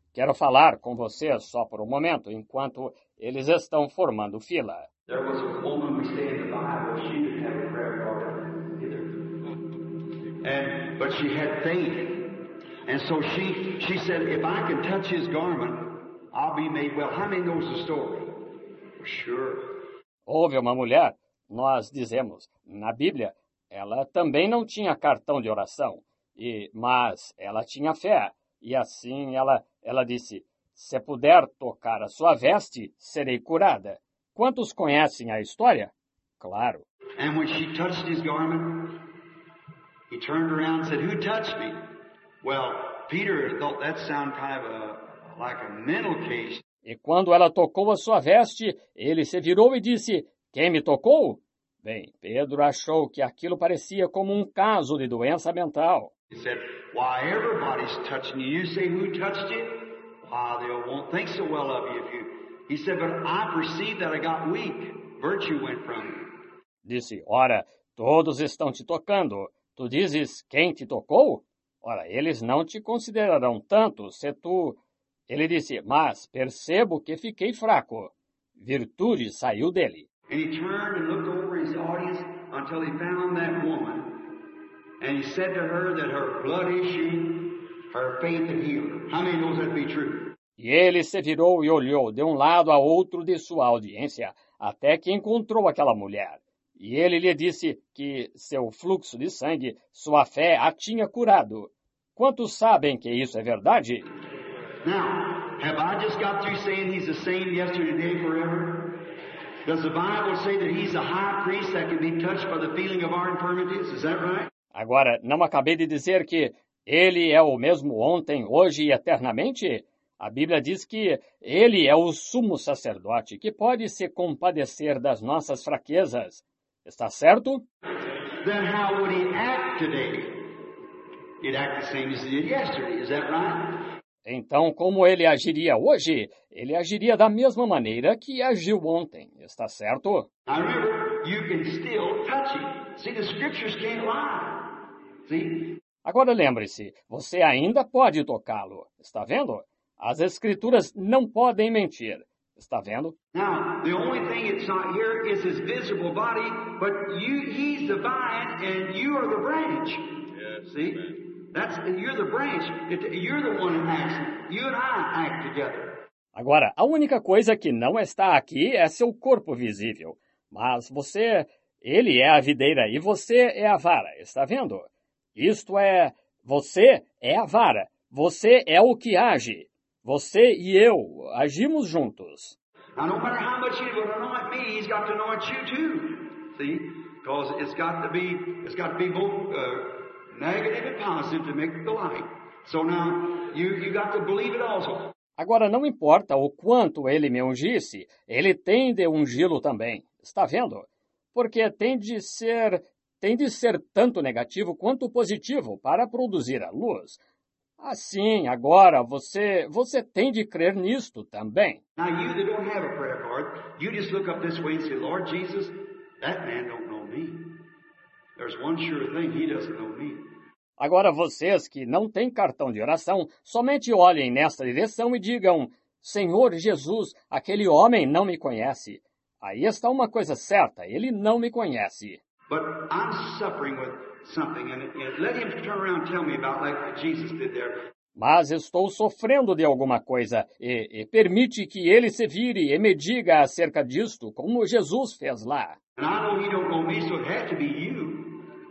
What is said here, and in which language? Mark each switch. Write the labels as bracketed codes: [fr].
[pt] Quero falar com você só por um momento, enquanto eles estão formando fila. [en] There was a woman we stayed in the Bible, she didn't have a prayer card either. But she had faith. And so she said, if I can touch his garment, I'll be made well. How many knows the story? Sure. [pt] Houve uma mulher, nós dizemos, na Bíblia, ela também não tinha cartão de oração, mas ela tinha fé. E assim ela disse, se puder tocar a sua veste, serei curada. Quantos conhecem a história? Claro. [en] And when she touched his garment, he turned around and said, who touched me? Well, Peter thought that sounded kind of like a mental case. [pt] E quando ela tocou a sua veste, ele se virou e disse, quem me tocou? Bem, Pedro achou que aquilo parecia como um caso de doença mental. [en] He said, why, everybody's touching you. You say, who touched you? Why, they'll won't think so well of you if you... He said, but I perceived that I got weak. Virtue went from me. [pt] Disse, ora, todos estão te tocando. Tu dizes, quem te tocou? Ora, eles não te considerarão tanto se tu... Ele disse, mas percebo que fiquei fraco. Virtude saiu dele. [en] And he turned and looked over his audience until he found that woman. And he said to her that her blood issue, her faith had healed her. How many knows that to be true? [pt] E ele se virou e olhou de um lado a outro de sua audiência, até que encontrou aquela mulher. E ele lhe disse que seu fluxo de sangue, sua fé, a tinha curado. Quantos sabem que isso é verdade? [en] Now, have I just got through saying he's the same yesterday, today, forever? Does the Bible say that he's a high priest that can be touched by the feeling of our infirmities? Is that right? [pt] Agora, não acabei de dizer que ele é o mesmo ontem, hoje e eternamente? A Bíblia diz que ele é o sumo sacerdote que pode se compadecer das nossas fraquezas. Está certo? [en] Then how would he act today? He'd act the same as he did yesterday. Is that right? [pt] Então, como ele agiria hoje? Ele agiria da mesma maneira que agiu ontem. Está certo? [en] I remember, you can still touch him. See, the scriptures can't lie. See? [pt] Agora lembre-se, você ainda pode tocá-lo. Está vendo? As escrituras não podem mentir. Está vendo? [en] Now, the only thing it's not here is his visible body, but you, he's the vine and you are the branch. Yes. See? Amen. That's, you're the branch. You're the one who acts. You and I act together. [pt] Agora, a única coisa que não está aqui é seu corpo visível. Mas você, ele é a videira e você é a vara. Está vendo? Isto é, você é a vara. Você é o que age. Você e eu agimos juntos. [en] Now, no matter how much he's going to anoint me, he's got to anoint you too. See? Because it's got to be both. Negative and positive to make the light. So now, you got to believe it also. [pt] Agora, não importa o quanto ele me ungisse, ele tem de ungi-lo também. Está vendo? Porque tem de ser tanto negativo quanto positivo para produzir a luz. Assim, agora, você tem de crer nisto também. [en] Now, you that don't have a prayer card, you just look up this way and say, Lord Jesus, that man don't know me. There's one sure thing, he doesn't know me. [pt] Agora, vocês que não têm cartão de oração, somente olhem nesta direção e digam, Senhor Jesus, aquele homem não me conhece. Aí está uma coisa certa, ele não me conhece. [en] But I'm suffering with something, and let him turn around and tell me about like Jesus did there. [pt] Mas estou sofrendo de alguma coisa, e permite que ele se vire e me diga acerca disto, como Jesus fez lá. [en] And I know he don't know me, so it had to be you.